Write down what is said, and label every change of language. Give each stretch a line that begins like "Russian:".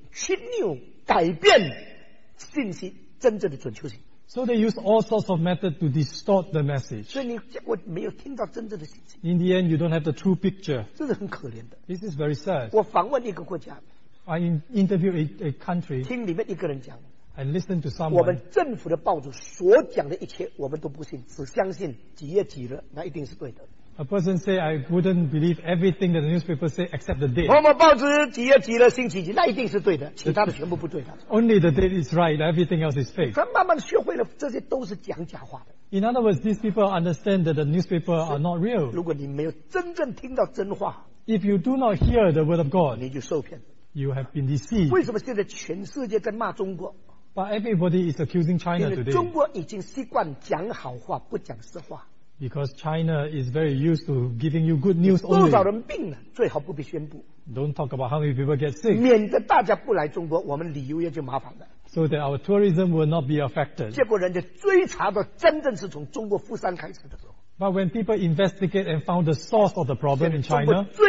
Chinese: 所以他们用各样的办法曲解、曲扭、改变信息。
English: So they use all sorts of methods to distort the message.
Chinese: 所以你结果没有听到真正的信息。
English: In the end, you don't have the true picture.
Chinese: 这是很可怜的。
English: This is very sad.
Chinese: 我访问一个国家。
English: I interviewed a country.
Chinese: 听里面一个人讲。
English: I listened to someone.
Chinese: 我们政府的报纸所讲的一切，我们都不信，只相信几月几日，那一定是对的。
English: A person say, I wouldn't believe everything that the newspaper say except the date.
Chinese: 某某报纸几月几日星期几，那一定是对的，其他的全部不对的。
English: Only the date is right, everything else is fake.
Chinese: 他慢慢学会了，这些都是讲假话的。
English: In other words, these people understand that the newspaper are not real.
Chinese: 如果你没有真正听到真话，
English: if you do not hear the word of God,
Chinese: 你就受骗，
English: you have been deceived.
Chinese: 为什么现在全世界在骂中国？
English: But everybody is accusing China today.
Chinese: 因为中国已经习惯讲好话，不讲实话。
English: Because China is very used to giving you good news only.
Chinese: 多少人病了，最好不必宣布。
English: Don't talk about how many people get sick.
Chinese: 免得大家不来中国，我们旅游业就麻烦了。
English: So that our tourism will not be affected.
Chinese: 结果人家追查到真正是从中国富山开始的时候。
English: But when people investigate and found the source of the problem in China,